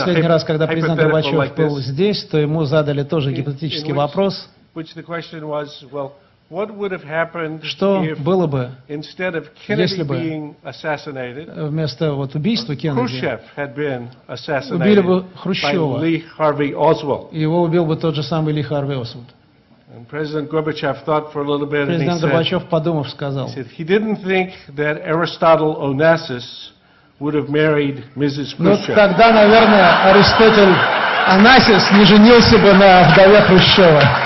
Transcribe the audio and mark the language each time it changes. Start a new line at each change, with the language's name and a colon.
Russian: Последний раз, когда президент Горбачев был здесь, то ему задали тоже гипотетический вопрос.
English: Which the question was, well, what would have happened if instead of Kennedy being assassinated,
Russian: вместо вот убийства Кеннеди,
English: Хрущев had been assassinated by Lee Harvey Oswald.
Russian: Его убил бы тот же самый Ли Харви Освальд.
English: And President Gorbachev thought for a little bit, President and he said,
Russian: сказал,
English: he said he didn't think that Aristotle Onassis would have married Mrs. Khrushchev.
Russian: Ну, тогда, наверное, Аристотель Онассис не женился бы на вдове Хрущева.